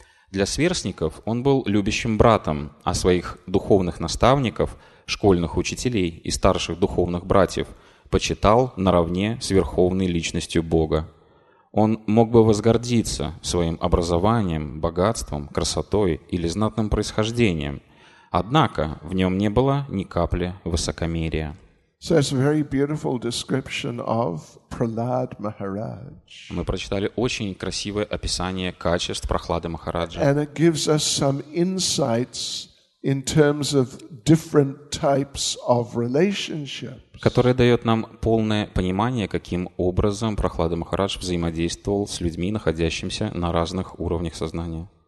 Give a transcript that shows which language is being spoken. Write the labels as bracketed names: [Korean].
[Russian] Для сверстников он был любящим братом, а своих духовных наставников, школьных учителей и старших духовных братьев почитал наравне с верховной личностью Бога. Он мог бы возгордиться своим образованием, богатством, красотой или знатным происхождением, однако в нем не было ни капли высокомерия. [English] So it's a very beautiful description of Prahlad Maharaj. [Russian] Мы прочитали очень красивое описание качеств Прохлады Махараджи. [English] And it gives us some insights in terms of different types of relationships. [Russian] Которое дает нам полное понимание, каким образом Прохлада Махарадж взаимодействовал с людьми, находящимися на разных уровнях сознания.